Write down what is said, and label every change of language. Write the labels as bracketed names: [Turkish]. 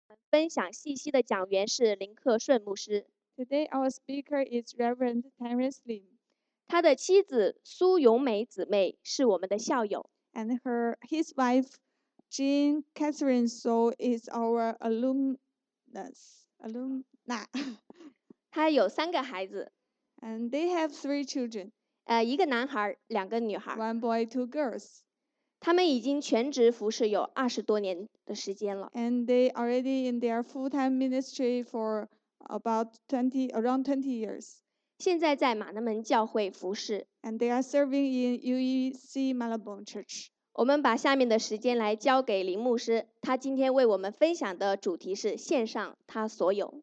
[Chinese] 分享信息的讲员是林克顺牧师。 [English] Today our speaker is Reverend Terence Lim. [Chinese] 他的妻子苏永美姊妹是我们的校友。 [English] And his wife Jean Catherine So is our alumna. [Chinese] 他有三个孩子。 [English] And they have three children. [Chinese] 一个男孩，两个女孩。 [English] One boy, two girls. [Chinese] 他们已经全职服侍有20多年的时间了。 [English] And they already in their full-time ministry for around 20 years. [Chinese] 现在在马拉门教会服侍。 [English] And they are serving in UEC Malabon Church. [Chinese] 我们把下面的时间来交给林牧师，他今天为我们分享的主题是献上他所有。